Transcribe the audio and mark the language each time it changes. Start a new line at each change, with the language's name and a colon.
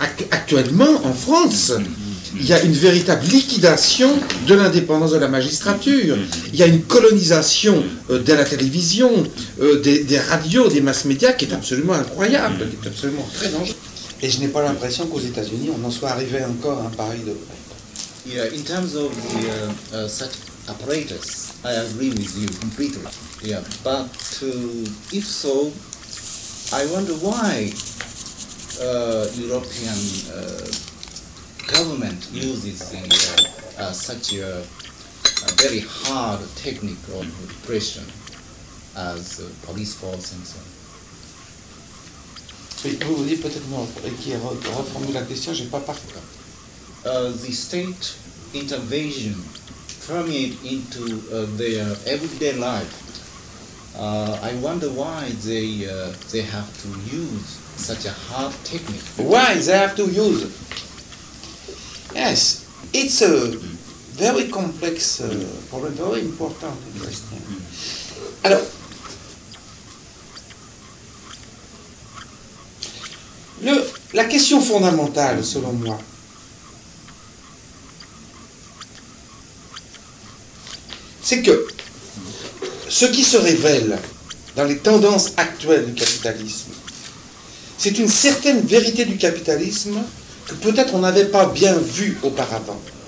French: Actuellement, en France, il y a une véritable liquidation de l'indépendance de la magistrature. Il y a une colonisation de la télévision, des radios, des masses médias, qui est absolument incroyable, qui est absolument très dangereux. Et je n'ai pas l'impression qu'aux États-Unis, on en soit arrivé encore à un pareil degré.
English: Yeah, in terms of the such apparatus, I agree with you completely. Yeah, but if so, I wonder why European government uses such a very hard technique of repression as police force and so on.
French: Vous voulez peut-être reformuler la question, je n'ai pas parlé.
English: The state intervention permeate into their everyday life. I wonder why they have to use such a hard technique. Why they have to use it? Yes, it's a very complex problem, very important question.
French: Alors, la question fondamentale, selon moi, c'est que ce qui se révèle dans les tendances actuelles du capitalisme, c'est une certaine vérité du capitalisme que peut-être on n'avait pas bien vue auparavant.